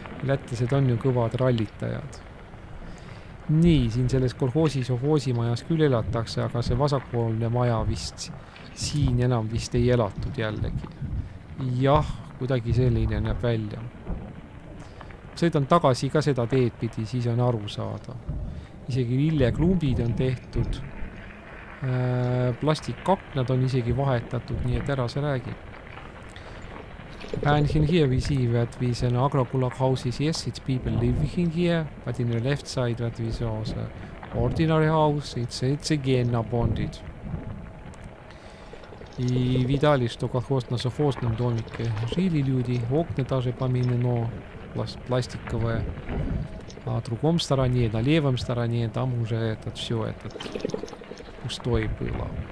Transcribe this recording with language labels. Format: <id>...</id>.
<et>Lätlased on ju kõvad rallitajad. Nii, siin selles kolhoosimajas küll elatakse, aga see vasakpoolne maja vist siin enam vist ei elatud jällegi. Jah. Kuidagi selline näeb välja. Sõidan tagasi ka seda teed pidi, siis on aru saada. Isegi lilleklumbid on tehtud. Plastikaknad on isegi vahetatud, nii et ära see räägi.</et> <en>And in here we see that we see an agrokulak houses. Yes, it's people living in here. But in the left side that we saw the ordinary house. It's again abandoned.</en> <ru>И видали, что колхоз на совхозном домике жили люди, окна даже поменено, пластиковые. А на другом стороне, на левом стороне, там уже этот все этот пустой было.</ru>